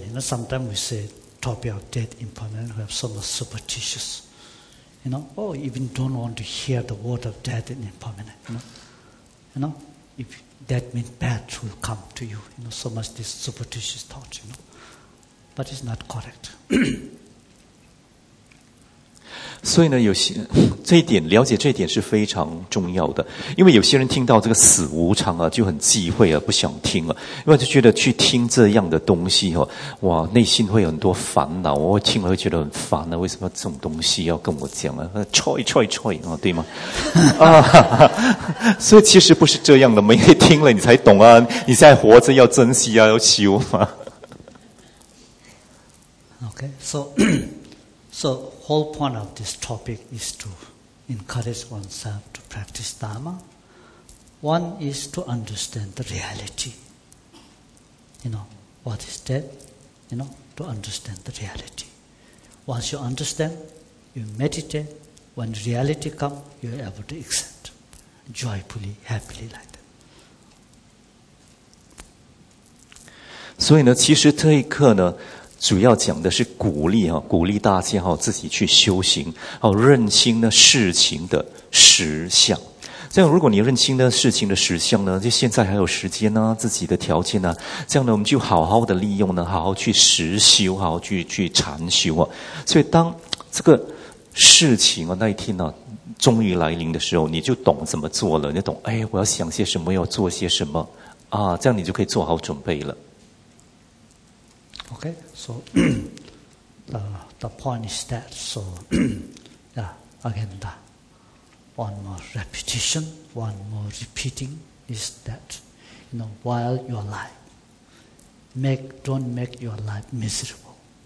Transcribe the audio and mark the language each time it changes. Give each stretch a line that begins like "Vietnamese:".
English: You know, sometimes we say topic of death important, we have so much superstitious. You know, oh, even don't want to hear the word of death and impermanent. You know, if that means bad will come to you. You know, so much this superstitious thought, you know. But it's not correct.
Chinese: 所以呢，有些这一点了解这一点是非常重要的，因为有些人听到这个死无常啊，就很忌讳啊，不想听啊，因为就觉得去听这样的东西哦、啊，哇，内心会有很多烦恼，我听了会觉得很烦啊，为什么这种东西要跟我讲啊？吹啊，对吗？啊，所以其实不是这样的，每天听了你才懂啊，你现在活着要珍惜啊，要修嘛。
English: Okay, so. Whole point of this topic is to encourage oneself to practice Dharma. One is to understand the reality. You know, what is death? You know, to understand the reality. Once you understand, you meditate. When reality comes, you are able to accept joyfully, happily like that.
Chinese: 所以呢，其实这一刻呢主要讲的是鼓励哈，鼓励大家哈自己去修行，好认清呢事情的实相。这样，如果你认清呢事情的实相呢，就现在还有时间呢、啊，自己的条件呢、啊，这样呢，我们就好好的利用呢，好好去实修，好好去禅修啊。所以，当这个事情啊那一天呢、啊，终于来临的时候，你就懂怎么做了，你懂哎，我要想些什么，要做些什么啊，这样你就可以做好准备了。
English: Okay, so the point is that, so yeah, again, the one more repetition, one more repeating is that, you know, while you're alive, don't make your life miserable.